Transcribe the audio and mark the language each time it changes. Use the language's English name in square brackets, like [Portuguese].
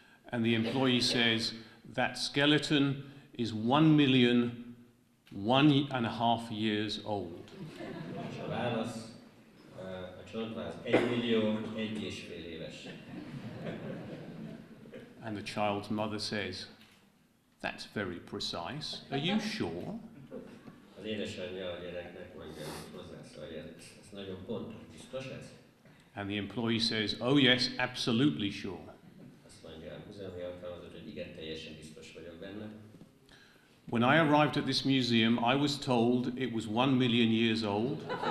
[English] And the employee says, that skeleton is 1,000,001.5 years old. [Hungarian] És a válasz, a csontváz 1,000,001.5 éves. [English] And the child's mother says, that's very precise. Are you sure? [Hungarian] Az édesanyja a gyereknek mondja, hogy ez nagyon pontos, biztos ez? [English] And the employee says, oh yes, absolutely sure. [Hungarian] Azt mondja, múzeumi alkalmazott, hogy igen, teljesen biztos vagyok benne. [English] When I arrived at this museum, I was told it was 1,000,000 years old.